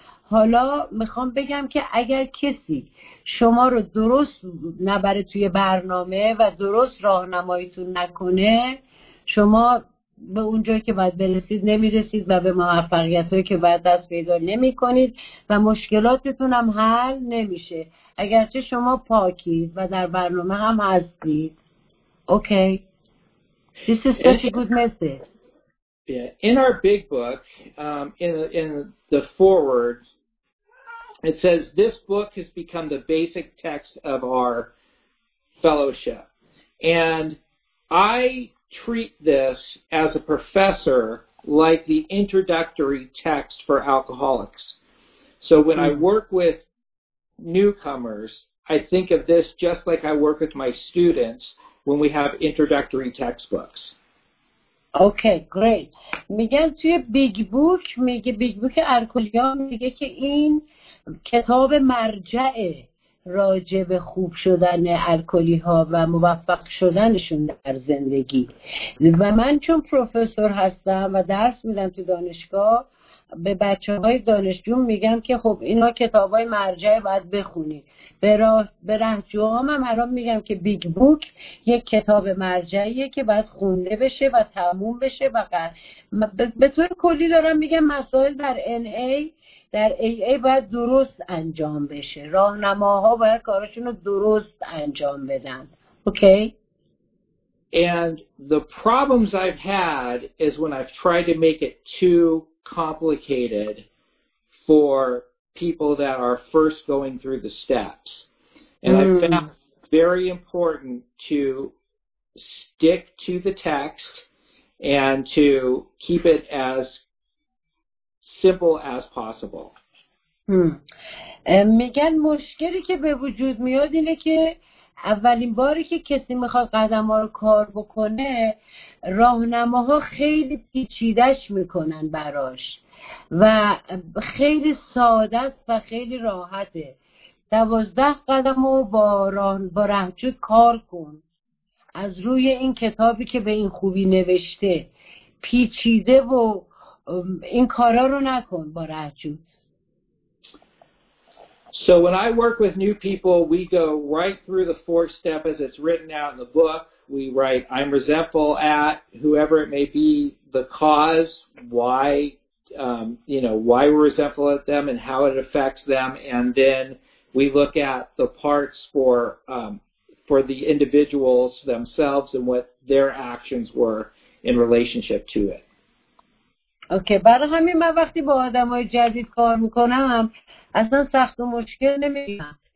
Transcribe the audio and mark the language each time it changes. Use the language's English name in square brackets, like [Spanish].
[Persian] حالا میخوام بگم که اگر کسی شما رو درست نبره توی برنامه و درست راهنماییتون نکنه، شما به اونجایی که باید برسید نمیرسید و به موفقیتی که باید دست پیدا نمیکنید و مشکلاتتون هم حل نمیشه، اگرچه شما پاکید و در برنامه هم هستید. [English] Okay. This is such a good message. Yeah. In our big book, in the foreword, it says, this book has become the basic text of our fellowship. And I treat this as a professor like the introductory text for alcoholics. So when I work with newcomers, I think of this just like I work with my students when we have introductory textbooks. [Persian] اوکی گریت. میگن توی بیگ بوک، میگه بیگ بوک الکلیا میگه که این کتاب مرجع راجع به خوب شدن الکلی ها و موفق شدنشون در زندگی، و من چون پروفسور هستم و درس میدم تو دانشگاه، به بچه های دانشجون میگم که خب اینا کتاب های مرجع باید بخونی. به رهجوهام هم هرام میگم که بیگ بوک یک کتاب مرجعیه که باید خونده بشه و تموم بشه. فقط به طور کلی دارم میگم مسائل در NA در AA باید درست انجام بشه، راهنماها باید کارشون رو درست انجام بدن. اوکی. [English] And the problems I've had is when I've tried to make it too complicated for people that are first going through the steps. And I found it very important to stick to the text and to keep it as simple as possible. [Persian] میگن مشکلی که به وجود میاد اینه که اولین باری که کسی میخواد قدم ها رو کار بکنه، راهنماها خیلی پیچیدش میکنن براش و خیلی ساده است و خیلی راحته. 12 قدم رو با رهجوی کار کن از روی این کتابی که به این خوبی نوشته، پیچیده و این کارا رو نکن با رهجوی. [English] So when I work with new people, we go right through the 4 steps as it's written out in the book. We write, I'm resentful at whoever it may be, the cause, why, you know, why we're resentful at them and how it affects them. And then we look at the parts for the individuals themselves and what their actions were in relationship to it. [Persian] اوکی، برای همین من وقتی با آدمای جدید کار میکنم اصلا سخت و مشکل نمیگم.